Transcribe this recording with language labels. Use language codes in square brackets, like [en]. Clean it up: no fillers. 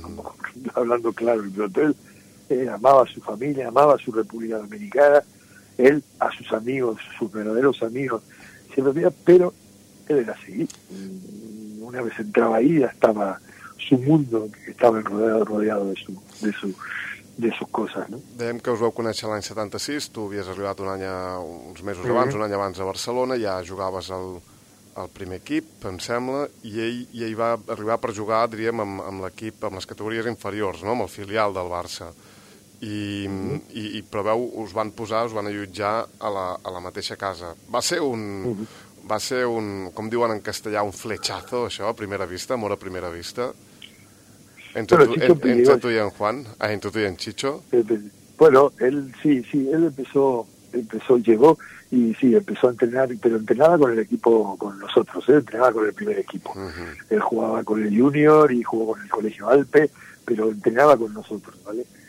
[es] Como hablando claro, pero él amaba a su familia, amaba a su República Dominicana, él a sus amigos, sus verdaderos amigos, siempre había, pero él era así. Una vez entraba ahí, ya estaba su mundo, que estaba rodeado de sus coses, no? [ca] Dèiem que us vau conèixer l'any 76, tu havies arribat un any uns mesos abans, un any abans a Barcelona, ja jugaves el primer equip, em sembla, i ell va arribar per jugar, diríem, amb l'equip, amb les categories inferiors, no?, amb el filial del Barça. I però veu, us van allotjar a la mateixa casa. Va ser un... Va ser un, com diuen en castellà, un flechazo, això, a primera vista, amor a primera vista. [es] Entre tú y en Chicho. Bueno, él sí, él empezó, llegó y sí, empezó a entrenar, pero entrenaba con el equipo, con nosotros, ¿eh? Entrenaba con el primer equipo. Uh-huh. Él jugaba con el Junior y jugó con el Colegio Alpe, pero entrenaba con nosotros, ¿vale?